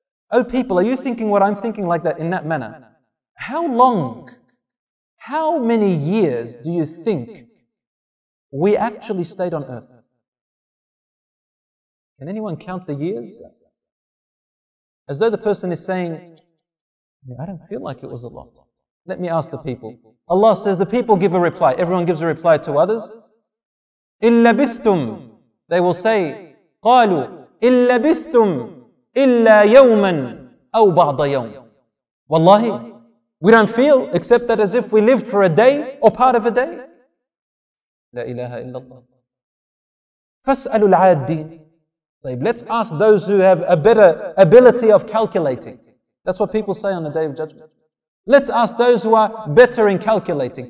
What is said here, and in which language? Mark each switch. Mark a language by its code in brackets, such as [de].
[en] Oh people, are you thinking what I'm thinking like that, in that manner? How long, how many years do you think we actually stayed on earth? Can anyone count the years? As though the person is saying, I don't feel like it was a lot. Let me ask the people. Allah says the people give a reply. Everyone gives a reply to others. [ar] إِن لَبِثْتُمْ, [en] they will say, [ar] قَالُوا إِن لَبِثْتُمْ إِلَّا يَوْمًا أَوْ بَعْضَ يَوْمٍ. [en] Wallahi, we don't feel except that as if we lived for a day or part of a day. [ar] La ilaha illallah. فَاسْأَلُوا الْعَادِّينَ. [en] Let's ask those who have a better ability of calculating. That's what people say on the Day of Judgment. Let's ask those who are better in calculating.